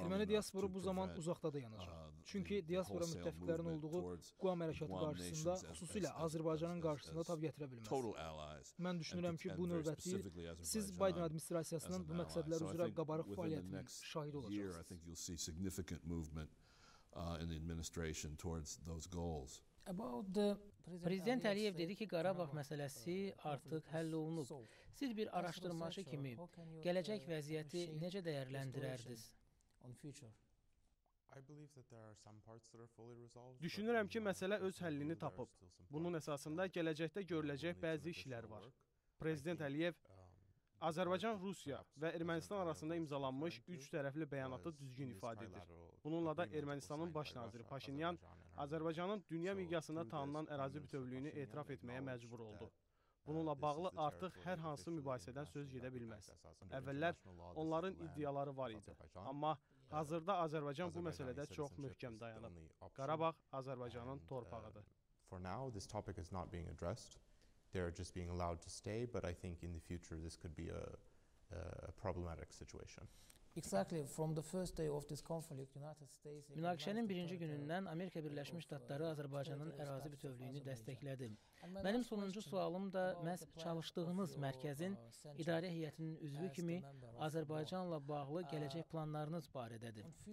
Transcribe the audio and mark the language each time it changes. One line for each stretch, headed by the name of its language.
Azerbaijani: Erməni diasporu bu zaman uzaqda dayanacaq. Çünki diaspora müttəfiqlərin olduğu Quam hərəkatı qarşısında, xüsusilə Azərbaycanın qarşısında tab gətirə bilməz. Mən düşünürəm ki, bu növbəti siz Biden administrasiyasının bu məqsədlər üzrə qabarıq fəaliyyətinin şahidi olacaqsınız.
English: In the administration towards those goals. About the President
Azerbaijani: Aliyev dedi ki, Qarabağ məsələsi artıq həll olunub. Siz bir araşdırmaçı kimi gələcək vəziyyəti necə dəyərləndirərdiniz?
English: I believe that there are some parts that are fully resolved.
Azerbaijani: Düşünürəm ki, məsələ öz həllini tapıb. Bunun əsasında gələcəkdə görüləcək bəzi işlər var. Prezident Aliyev Azərbaycan, Rusiya və Ermənistan arasında imzalanmış üç tərəfli bəyanatı düzgün ifadə edir. Bununla da Ermənistanın baş naziri Paşinyan Azərbaycanın dünya miqyasında tanınan ərazi bütövlüyünü etiraf etməyə məcbur oldu. Bununla bağlı artıq hər hansı mübahisədən söz gedə bilməz. Əvvəllər onların iddiaları var idi, amma hazırda Azərbaycan bu məsələdə çox möhkəm dayanıb. Qarabağ Azərbaycanın torpağıdır.
English: For now, this topic is not being addressed. They're just being allowed to stay, but I think in the future this could be a problematic situation. Exactly. From the first day of this conflict, United States.
Azerbaijani: Münaqişənin birinci günündən Amerika Birləşmiş Ştatları Azərbaycanın ərazi bütövlüyünü dəstəklədi. Mənim sonuncu sualım da məhz çalışdığınız mərkəzin idarə heyətinin üzvü kimi Azərbaycanla bağlı gələcək planlarınız barədədir.